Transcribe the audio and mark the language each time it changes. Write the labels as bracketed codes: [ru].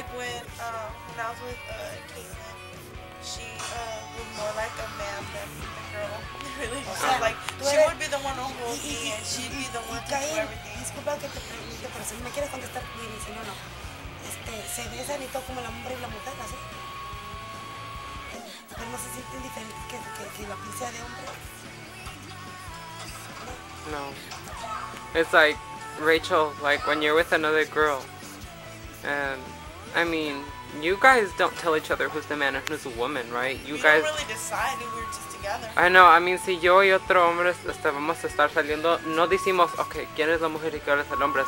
[en] Like when I was with Caitlin, she was more like a man than a girl. Really, like she would be the one who holds me, and she'd be the one to do everything. [es] Disculpa que te pregunte, pero si me quieres contestar, dime si no, no. Se besan y todo como el hombre y la mujer, ¿así? Pero no se sienten diferentes que la pincea de hombre. No. [en] It's like Rachel, like when you're with another girl, and I mean, you guys don't tell each other who's the man and who's the woman, right? You we guys don't really decide if we're just together. I know. I mean, [es] si yo y otro hombre estábamos estar saliendo, no decimos, okay, quién es la mujer y quién es el hombre.